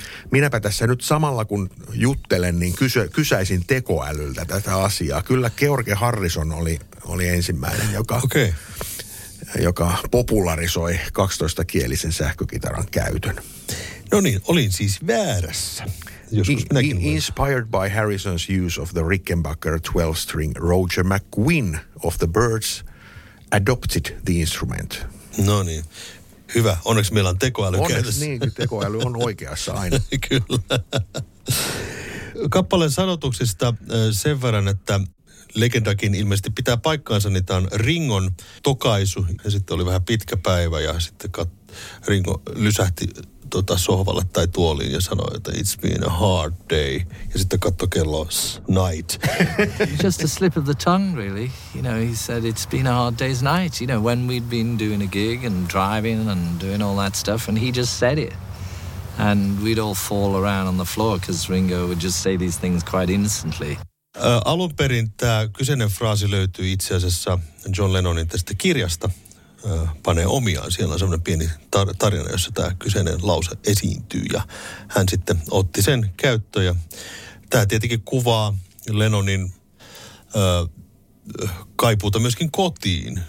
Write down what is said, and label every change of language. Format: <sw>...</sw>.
<fi>Minäpä tässä nyt samalla kun juttelen, niin kysäisin tekoälyltä tätä asiaa. Kyllä George Harrison oli ensimmäinen, joka...</fi> <en>Okay.</en> <fi>Joka popularisoi 12-kielisen sähkökitaran käytön. No niin, olin siis väärässä.</fi> <en>Inspired by Harrison's use of the Rickenbacker 12-string, Roger McGuinn of the Birds adopted the instrument.</en> <fi>No niin, hyvä. Onneksi meillä on tekoäly onneksi käytössä. Onneksi niin, tekoäly on oikeassa aina. Kyllä. Kappaleen sanotuksista sen verran, että legendakin ilmeisesti pitää paikkaansa, niin tämä on Ringon tokaisu. Ja sitten oli vähän pitkä päivä ja sitten Ringo lysähti tota sohvalle tai tuoliin ja sanoi, että</fi> <en>it's been a hard day.</en> <fi>Ja sitten katsoi kello, night.</fi> <en>Just a slip of the tongue, really. You know, he said it's been a hard day's night. You know, when we'd been doing a gig and driving and doing all that stuff. And he just said it. And we'd all fall around on the floor because Ringo would just say these things quite innocently.</en> <fi>Alun perin tämä kyseinen fraasi löytyy itse asiassa John Lennonin tästä kirjasta. Panee omiaan. Siellä on semmoinen pieni tarina, jossa tämä kyseinen lause esiintyy. Ja hän sitten otti sen käyttöön. Ja tämä tietenkin kuvaa Lennonin kaipuuta myöskin kotiin.</fi>